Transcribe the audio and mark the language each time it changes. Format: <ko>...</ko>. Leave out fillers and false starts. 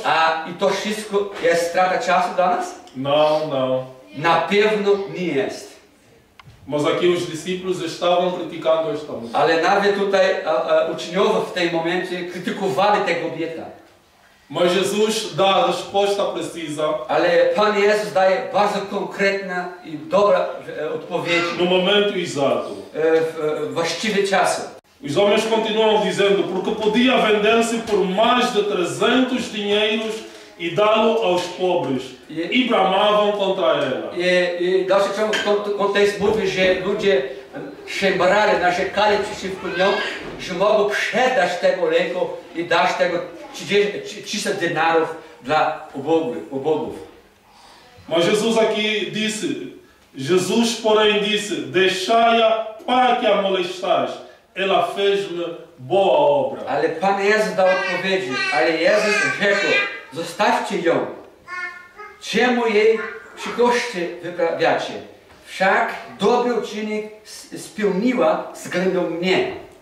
<pl>A i to wszystko jest strata czasu dla nas?</pl> <pt>Não, não.</pt> <pl>Na pewno nie jest.</pl> <pt>Mas aqui os discípulos estavam criticando esta mulher.</pt> <pl>Ale nawet tutaj uczniowie w tej momencie krytykowali tego kobietę.</pl> <pt>Mas Jesus dá a resposta precisa.</pt> <pl>Ale Pan Jezus daje bardzo konkretna i dobra odpowiedź.</pl> <pt>No momento exato.</pt> <pl>Właściwy czas.</pl> <pt>Os homens continuam dizendo, porque podia vender-se por mais de 300 dinheiros e dá-lo aos pobres, e bramavam contra ela. E dá o seu contexto,</pt> <pl>mówi, że ludzie szemrali, narzekali przeciwko nią, że mogą przedać tego leku i dać tego 30 dinarów dla ubogów.</pl> <pt>Mas Jesus aqui disse, Jesus porém disse, deixai-a para que a molestais. Ela fez-me boa obra.</pt> <pl>Ale Pan Jezus dał odpowiedzi, ale Jezus rzekł, zostawcie ją, czemu jej przykrości wyprawiacie? Wszak dobry uczynek spełniła względem mnie.</pl>